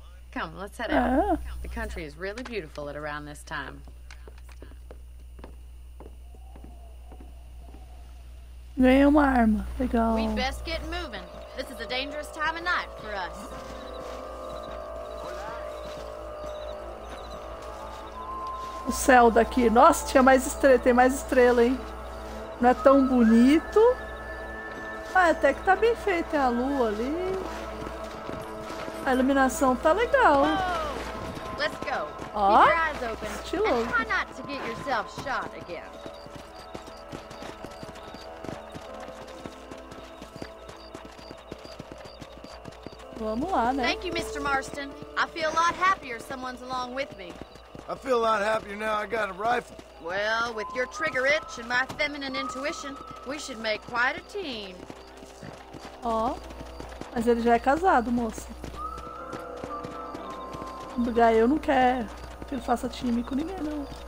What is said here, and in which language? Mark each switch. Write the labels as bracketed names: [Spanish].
[English] Come, let's head out. The country is really beautiful at around this time. [Portuguese] Ganhei uma arma. Legal. [English] We'd best get moving. This is a dangerous time of night for us. [Portuguese] O céu daqui, nossa, tinha mais estrela, tem mais estrela, hein? Não é tão bonito. Ah, até que tá bem feito, tem a lua ali. A iluminação tá legal. [English] Let's go. [Portuguese] Ó, estiloso. [English] Try not to get yourself shot again. [Portuguese] Vamos lá, né? [English] Thank you, Mr. Marston. I feel a lot happier someone's along with me. I feel a lot happier now I got a rifle. Well, with your trigger itch and my feminine intuition, we should make quite a team. [Portuguese] Ó, oh, mas ele já é casado, moça. Daí eu não quero que ele faça time com ninguém, não.